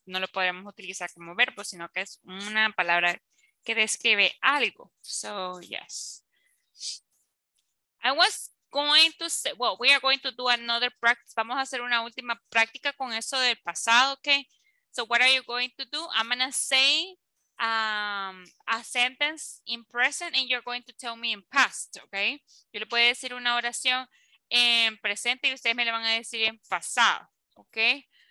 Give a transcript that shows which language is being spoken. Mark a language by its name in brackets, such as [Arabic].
[Spanish] No lo podemos utilizar como verbo, sino que es una palabra que describe algo. [English] So, yes. I was going to say, well, we are going to do another practice. [Spanish] Vamos a hacer una última práctica con eso del pasado, okay? [English] So, what are you going to do? I'm going to say a sentence in present and you're going to tell me in past, okay? [Spanish] Yo le puedo decir una oración en presente y ustedes me lo van a decir en pasado, okay?